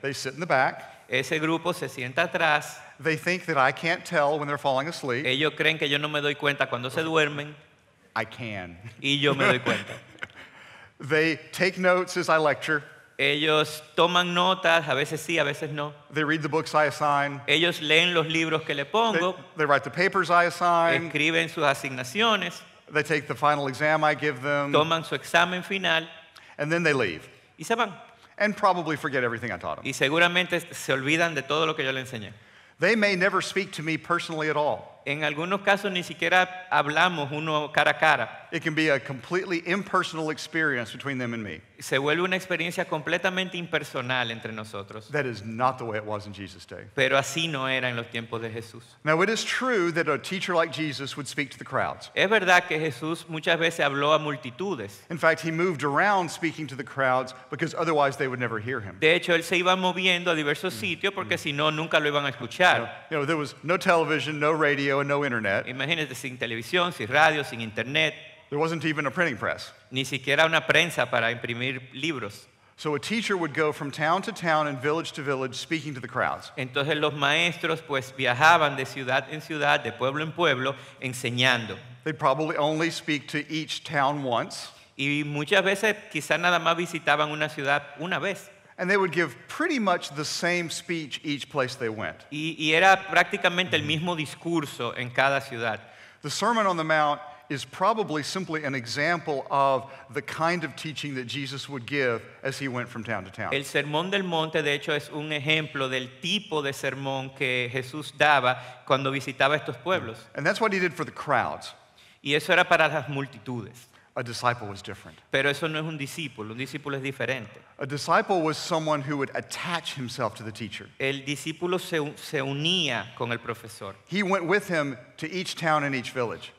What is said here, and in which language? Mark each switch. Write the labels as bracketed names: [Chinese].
[English] They sit in the back. [Spanish] Ese grupo se sienta atrás. [English] They think that I can't tell when they're falling asleep. [Spanish] Ellos creen que yo no me doy cuenta cuando se duermen. [English] I can. [Spanish] Y yo me doy cuenta. [English] They take notes as I lecture. [Spanish] Ellos toman notas, a veces sí, a veces no. [English] They read the books I assign. [Spanish] Ellos leen los libros que le pongo. [English] They write the papers I assign. [Spanish] Escriben sus asignaciones. [English] They take the final exam I give them. [Spanish] Toman su examen final. [English] And then they leave. [Spanish] Y se van. [English] And probably forget everything I taught them. [Spanish] Y seguramente se olvidan de todo lo que yo le enseñé. [English] They may never speak to me personally at all. [Spanish] En algunos casos ni siquiera hablamos uno cara a cara. [English] It can be a completely impersonal experience between them and me. [Spanish] Se vuelve una experiencia completamente impersonal entre nosotros. [English] That is not the way it was in Jesus' day. [Spanish] Pero así no era en los tiempos de Jesús. [English] Now it is true that a teacher like Jesus would speak to the crowds. [Spanish] Es verdad que Jesús muchas veces habló a multitudes. [English] In fact, he moved around speaking to the crowds because otherwise they would never hear him. [Spanish] De hecho, él se iba moviendo a diversos sitios porque si no nunca lo iban a escuchar. [English] You know, there was no television, no radio, and no internet. [Spanish] Imagínate sin televisión, sin radio, sin internet. [English] There wasn't even a printing press. [Spanish] Ni siquiera una prensa para imprimir libros. [English] So a teacher would go from town to town and village to village speaking to the crowds. [Spanish] Entonces los maestros pues viajaban de ciudad en ciudad, de pueblo en pueblo, enseñando. [English] They'd probably only speak to each town once. [Spanish] Y muchas veces quizá nada más visitaban una ciudad una vez. [English] And they would give pretty much the same speech each place they went. [Spanish] Y era prácticamente el mismo discurso en cada ciudad. [English] The Sermon on the Mount is probably simply an example of the kind of teaching that Jesus would give as he went from town to town. [Spanish] El Sermón del Monte, de hecho, es un ejemplo del tipo de sermón que Jesús daba cuando visitaba estos pueblos. [English] And that's what he did for the crowds. [Spanish] Y eso era para las multitudes. [English] A disciple was different. [Spanish] Pero eso no es un discípulo. Un discípulo es diferente. [English] A disciple was someone who would attach himself to the teacher. [Spanish] El discípulo se unía con el profesor. [English] He went with him to each town and each village.